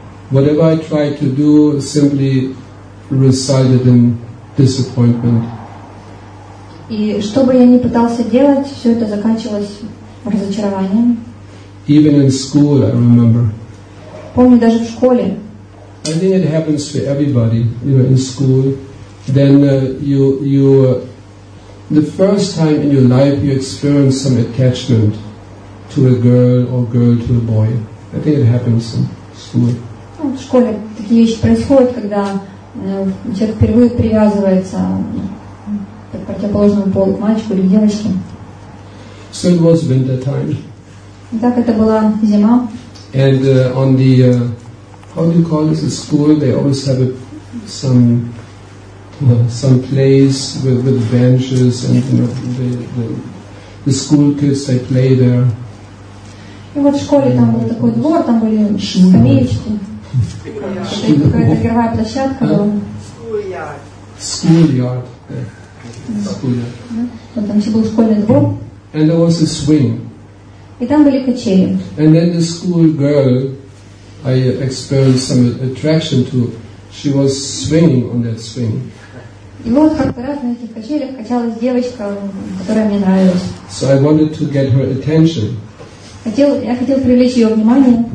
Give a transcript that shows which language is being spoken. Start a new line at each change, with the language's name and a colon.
English: Whatever I try to do simply resulted in disappointment.
Russian: И что бы я ни пытался делать, все это заканчивалось разочарованием.
English: Even in school, I remember.
Russian: Помню даже в школе.
English: I think it happens for everybody, you know, in school. Then you the first time in your life you experience some attachment to a girl or girl to a boy. I think it happens in school.
Russian: В школе такие вещи происходят, когда человек впервые привязывается к противоположному полу, к мальчику или девочке.
English: So it was winter time.
Russian: Так это была зима.
English: And on the how do you call this, the school, they always have some place with benches and, you know, the school kids, they play there.
Russian: И вот в школе там был такой двор, там были скамеечки. Какая-то игровая площадка была.
English: Schoolyard. Schoolyard.
Russian: Вот там еще был школьный двор.
English: And there was a swing.
Russian: И там были качели.
English: And then the school girl, I experienced some attraction to. She was swinging on that swing.
Russian: И вот как-то раз на этих качелях качалась девочка, которая мне нравилась.
English: So I wanted to get her attention.
Russian: Я хотел привлечь ее внимание.